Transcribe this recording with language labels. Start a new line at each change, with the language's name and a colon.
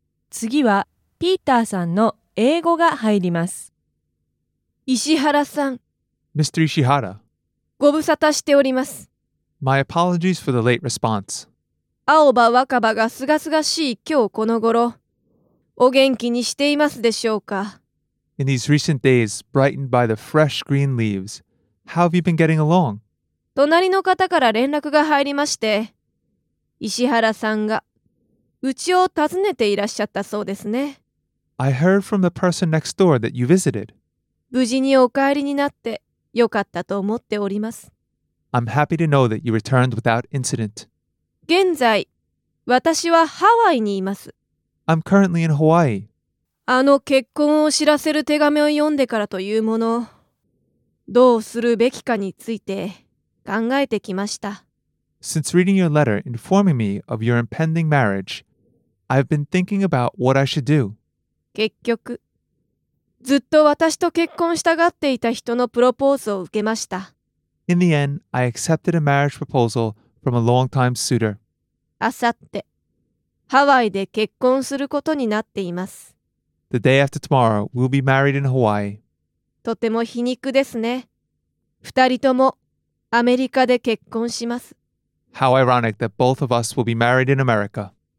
Japanese: 次はピーターさんの英語が入ります。石原さん。
English: Mr. Ishihara.
Japanese: ご無沙汰しております。
English: My apologies for the late response.
Japanese: 青葉若葉がすがすがしい今日この頃、お元気にしていますでしょうか。
English: In these recent days, brightened by the fresh green leaves, how have you been getting along?
Japanese: 隣の方から連絡が入りまして、石原さんがうちを訪ねていらっしゃったそうですね。
English: I heard from the person next door that you visited.
Japanese: 無事にお帰りになって、よかったと思っております。
English: I'm happy to know that you returned without incident.
Japanese: 現在、私はハワイにいます。
English: I'm currently in Hawaii.
Japanese: あの結婚を知らせる手紙を読んでからというもの、どうするべきかについて考えてきました。
English: Since reading your letter informing me of your impending marriage, I've been thinking about what I should do.
Japanese: 結局、ずっと私と結婚したがっていた人のプロポーズを受けました。
English: In the end, I accepted a marriage proposal from a long-time suitor.
Japanese: あさって、ハワイで結婚することになっています。
English: The day after tomorrow, we'll be married in Hawaii.
Japanese: とても皮肉ですね。二人ともアメリカで結婚します。
English: How ironic that both of us will be married in America.